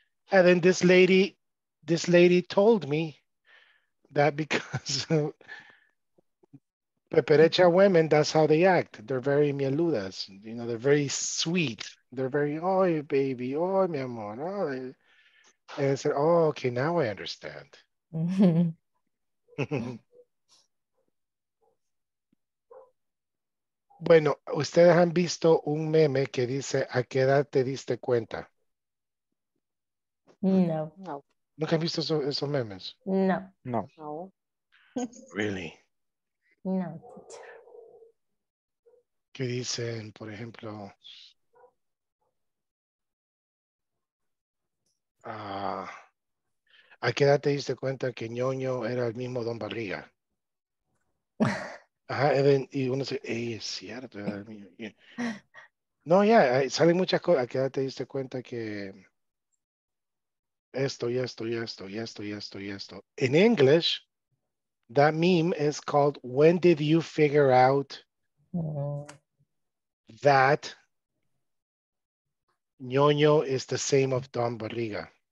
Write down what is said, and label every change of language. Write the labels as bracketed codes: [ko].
[en] And then this lady told me that because peperecha women, that's how they act. They're very mieludas, you know, they're very sweet. They're very, oh, baby, oh, [es] mi amor. [en] Oh. And I said, oh, okay, now I understand. [es] Bueno, ustedes han visto un meme que dice, ¿a qué edad te diste cuenta? No. ¿No han visto esos memes? No. No. [en] Really? [es] No. ¿Qué dicen, por ejemplo? ¿A qué edad te diste cuenta que Ñoño era el mismo Don Barriga? Ajá, y uno dice, ey, es cierto, era el mío. No, ya, salen muchas cosas. ¿A qué edad te diste cuenta que esto, y esto, y esto, y esto, y esto, y esto? [en] In English, that meme is called, when did you figure out that Ñoño is the same of Don Barriga?